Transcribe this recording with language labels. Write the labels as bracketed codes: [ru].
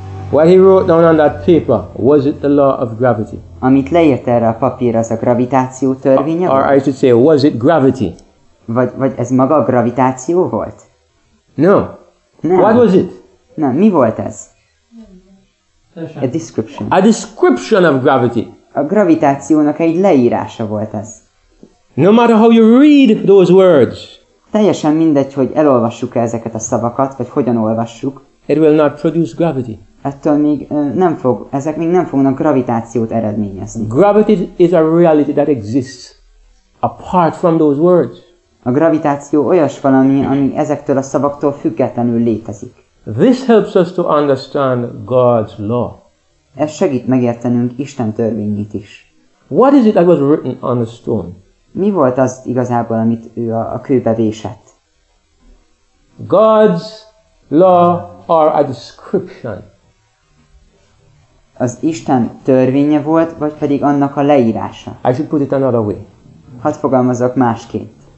[en] What he wrote down on that paper, was it the law of gravity? [hu] Amit leírt erre a papír, az a gravitáció törvénye volt? [en] Or I should say, was it gravity? [hu] Vagy ez maga a gravitáció volt? [en] No. [hu] Nem. [en] What was it? [hu] Nem, mi volt ez? [en] A description. A description of gravity. [hu] A gravitációnak egy leírása volt ez. [en] No matter how you read those words. [hu] Teljesen mindegy, hogy elolvassuk-e ezeket a szavakat, vagy hogyan olvassuk. [en] It will not produce gravity. [hu] Ettől még nem fog, ezek még nem fognak gravitációt eredményezni. [en] Gravity is a reality that exists apart from those words. [hu] A gravitáció olyas valami, ami ezektől a szavaktól függetlenül létezik. [en] This helps us to understand God's law. [hu] Ez segít megértenünk Isten törvényét is. [en] What is it that was written on the stone? [hu] Mi volt az igazából, amit ő a kőbe vésett? [en] God's law or a description? [hu] Az Isten törvénye volt, vagy pedig annak a leírása? [en] I should put it another way. [hu] Hadd fogalmazok másként.